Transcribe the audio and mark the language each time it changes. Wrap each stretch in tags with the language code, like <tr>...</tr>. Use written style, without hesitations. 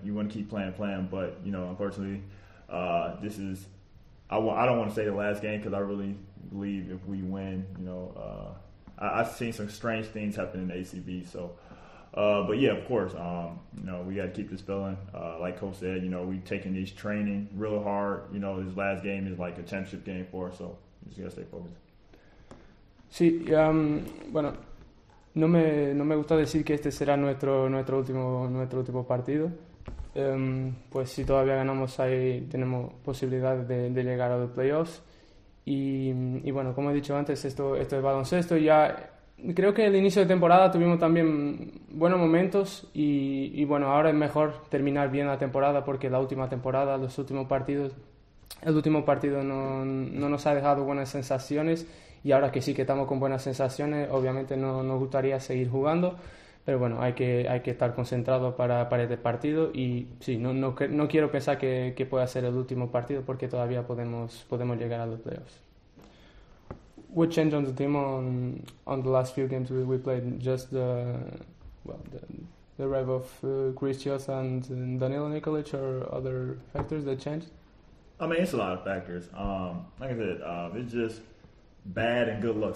<en>You want to keep playing. But, you know, unfortunately, this is – I don't want to say the last game because I really believe if we win, you know, I've seen some strange things happen in ACB, so – but yeah, of course, you know, we got to keep this feeling. Like Coach said, you know, we've taken this training really hard. You know, this last game is like a championship game for us, so we just got to stay focused.</en> <es>Sí, bueno, no me gusta decir que este será nuestro último partido. Pues si todavía ganamos ahí, tenemos posibilidades de llegar a los playoffs. Y bueno, como he dicho antes, esto es baloncesto y ya. Creo que el inicio de temporada tuvimos también buenos momentos y bueno, ahora es mejor terminar bien la temporada porque la última temporada, los últimos partidos, el último partido no nos ha dejado buenas sensaciones y ahora que sí que estamos con buenas sensaciones, obviamente no nos gustaría seguir jugando, pero bueno, hay que estar concentrado para este partido y sí, no quiero pensar que pueda ser el último partido porque todavía podemos llegar a los playoffs.</es> <en>What changed on the team on the last few games we played? Just the arrival of Christios and Danilo Nikolic or other factors that changed? I mean, it's a lot of factors. Like I said, it's just bad and good luck.</en>